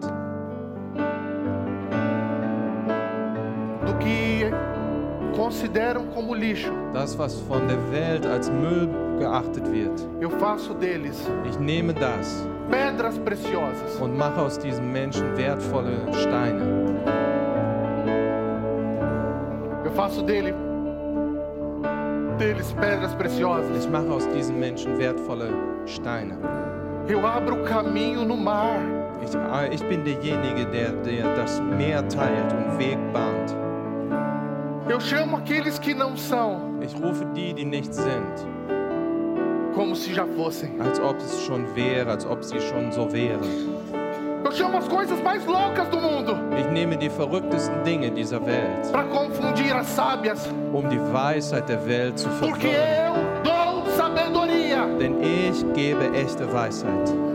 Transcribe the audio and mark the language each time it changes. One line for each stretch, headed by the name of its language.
Portuguese: Do que consideram como lixo.
German: Das, was von der Welt als Müll geachtet wird.
Portuguese: Eu faço deles.
German: Ich nehme das.
Portuguese: Pedras preciosas.
German: Und mache aus diesen Menschen wertvolle Steine.
Portuguese: Eu faço deles pedras preciosas.
German: Ich mache aus diesen Menschen wertvolle Steine.
Portuguese: Eu abro o caminho no mar.
German: Ich bin derjenige, der das Meer teilt und Weg bahnt.
Portuguese: Eu chamo aqueles que não são.
German: Ich rufe die nicht sind.
Portuguese: Como se já fossem.
German: Als ob es schon wäre, als ob sie schon so wären.
Portuguese: Eu chamo as coisas mais loucas do mundo.
German: Ich nehme die verrücktesten Dinge dieser Welt.
Portuguese: Para confundir as sábias.
German: Um die Weisheit der Welt zu verwirren.
Portuguese: Porque eu dou sabedoria.
German: Denn ich gebe echte Weisheit.